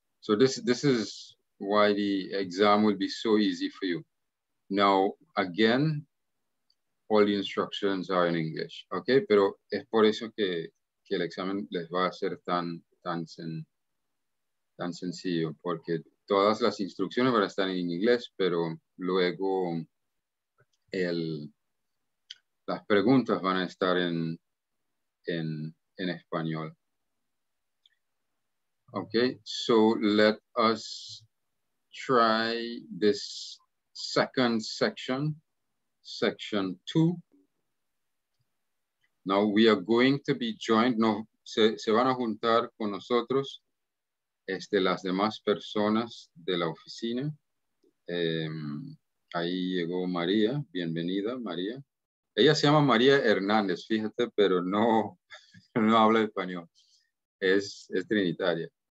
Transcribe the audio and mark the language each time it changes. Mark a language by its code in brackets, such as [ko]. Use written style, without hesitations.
[en] So this is why the exam will be so easy for you. Now, again, all the instructions are in English, okay? [es] Pero es por eso que, que el examen les va a ser tan, tan, sen, tan sencillo, porque todas las instrucciones van a estar en inglés, pero luego el, las preguntas van a estar en español. [en] Okay, so let us try this second section, section two. [es] Now we are going to be joined, no, se van a juntar con nosotros este, las demás personas de la oficina. Ahí llegó María, bienvenida María. Ella se llama María Hernández, fíjate, pero no, no habla español, es trinitaria.